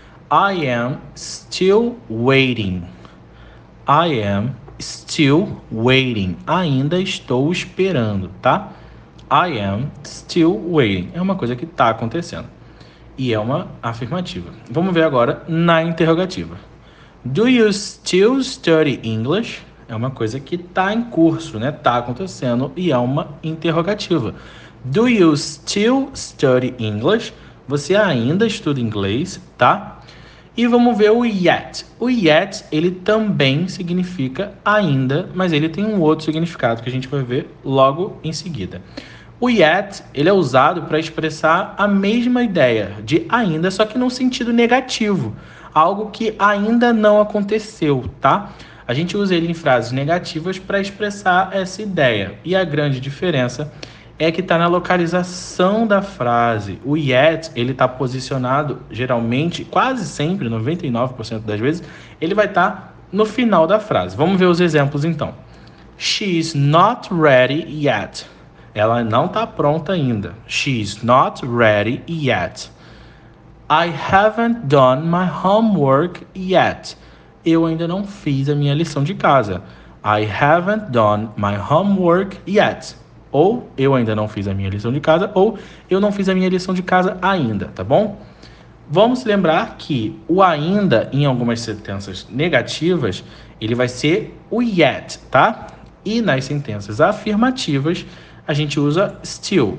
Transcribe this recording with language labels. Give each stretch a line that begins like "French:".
English: I am still waiting. I am still waiting.
Portuguese: Ainda estou esperando, tá?
English: I am still waiting.
Portuguese: É uma coisa que está acontecendo. E é uma afirmativa. Vamos ver agora na interrogativa.
English: Do you still study English?
Portuguese: É uma coisa que está em curso, né? Está acontecendo e é uma interrogativa.
English: Do you still study English?
Portuguese: Você ainda estuda inglês, tá? E vamos ver o yet. O yet, ele também significa ainda, mas ele tem um outro significado que a gente vai ver logo em seguida. O yet, ele é usado para expressar a mesma ideia de ainda, só que num sentido negativo, algo que ainda não aconteceu, tá? A gente usa ele em frases negativas para expressar essa ideia. E a grande diferença é que está na localização da frase. O yet, ele está posicionado geralmente, quase sempre, 99% das vezes, ele vai estar no final da frase. Vamos ver os exemplos então.
English: She's not ready yet.
Portuguese: Ela não está pronta ainda.
English: She's not ready yet. I haven't done my homework yet.
Portuguese: Eu ainda não fiz a minha lição de casa.
English: I haven't done my homework yet.
Portuguese: Ou eu ainda não fiz a minha lição de casa, ou eu não fiz a minha lição de casa ainda, tá bom? Vamos lembrar que o ainda, em algumas sentenças negativas, ele vai ser o yet, tá? E nas sentenças afirmativas, a gente usa still.